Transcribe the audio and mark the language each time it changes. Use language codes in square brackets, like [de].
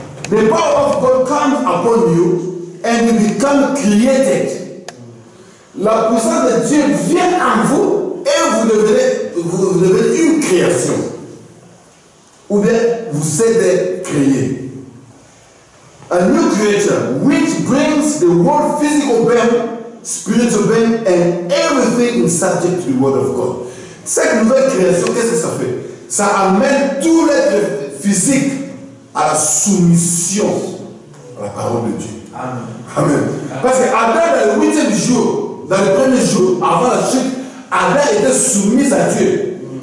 [en] The power of God comes upon you and you become created. [fr] La puissance de Dieu vient en vous et vous devenez une création. Ou bien vous serez créé. [en] A new creature which brings the world physical being, spiritual being and everything is subject to the word of God. [fr] Cette nouvelle création, qu'est-ce que ça fait? Ça amène tout l'être physique à la soumission à la parole de Dieu. Amen. Amen. Parce que Adam, dans le huitième jour, dans le premier jour, avant la chute, Adam était soumis à Dieu.